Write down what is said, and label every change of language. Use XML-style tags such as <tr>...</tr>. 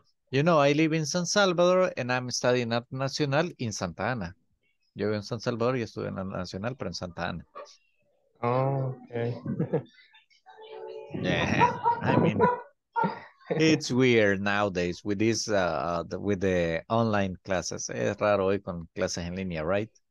<en>You know, I live in San Salvador and I'm studying at Nacional in Santa Ana.</en> <es>Yo vivo en San Salvador y estuve en la Nacional, pero en Santa Ana.</es> <en>Oh, okay. Yeah, I mean, it's weird nowadays with this, with the online classes.</en> <es>Es raro hoy con clases en línea,</es> <en>right?</en>